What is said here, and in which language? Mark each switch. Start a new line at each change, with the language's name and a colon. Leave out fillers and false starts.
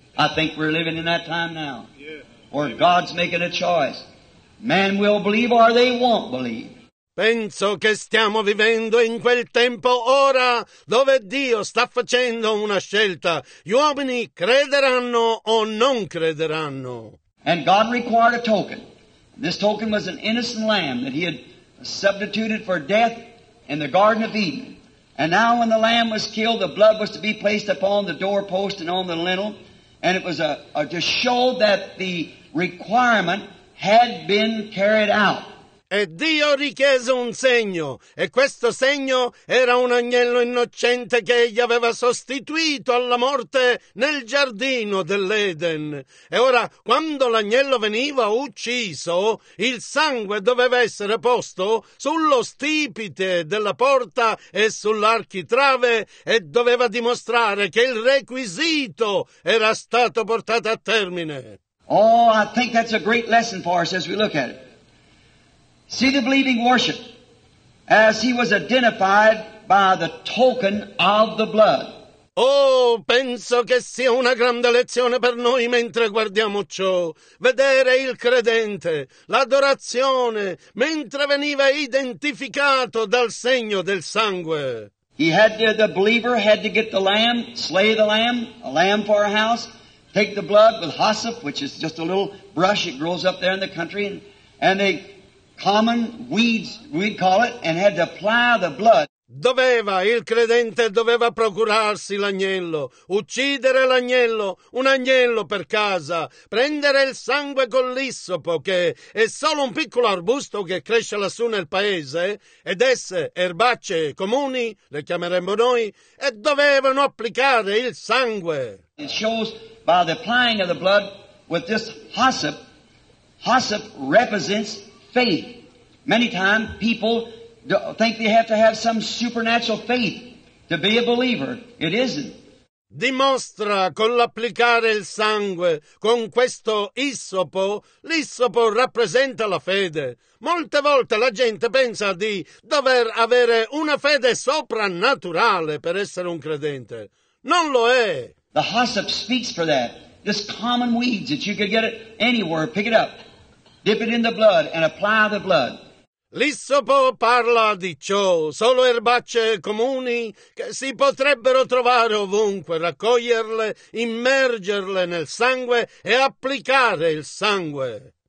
English: I think we're living in that time now, where God's making a choice. Man will believe or they won't believe.
Italian: Penso che stiamo vivendo in quel tempo ora dove Dio sta facendo una scelta. Gli uomini crederanno o non crederanno.
English: And God required a token. This token was an innocent lamb that he had substituted for death in the Garden of Eden. And now when the lamb was killed, the blood was to be placed upon the doorpost and on the lintel. And it was a to show that the requirement had been carried out.
Italian: E Dio richiese un segno, e questo segno era un agnello innocente che egli aveva sostituito alla morte nel giardino dell'Eden. E ora, quando l'agnello veniva ucciso, il sangue doveva essere posto sullo stipite della porta e sull'architrave e doveva dimostrare che il requisito era stato portato a termine.
English: Oh, I think that's a great lesson for us as we look at it. See the believing worship as he was identified by the token of the blood.
Italian: Oh, penso che sia una grande lezione per noi mentre guardiamo ciò. Vedere il credente, l'adorazione, mentre veniva identificato dal segno del sangue.
English: He had to, the believer had to get the lamb, slay the lamb for a house, take the blood with hyssop, which is just a little brush that grows up there in the country, and they... common weeds, we'd call it, and had to apply the blood.
Italian: Doveva, il credente doveva procurarsi l'agnello, uccidere l'agnello, un agnello per casa, prendere il sangue con l'issopo, che è solo un piccolo arbusto che cresce lassù nel paese, ed esse, erbacce comuni, le chiameremmo noi, e dovevano applicare il sangue.
English: It shows by the applying of the blood with this hyssop. Hyssop represents faith. Many times people think they have to have some supernatural faith to be a believer. It isn't.
Italian: Dimostra con l'applicare il sangue, con questo issopo, l'issopo rappresenta la fede. Molte volte la gente pensa di dover avere una fede soprannaturale per essere un credente. Non lo è.
English: The hyssop speaks for that. This common weeds that you could get it anywhere, pick it up. Dip it in the blood and apply the blood.
Italian: L'issopo parla di ciò. Solo erbacce comuni che si potrebbero trovare ovunque, raccoglierle, immergerle nel sangue e applicare il sangue.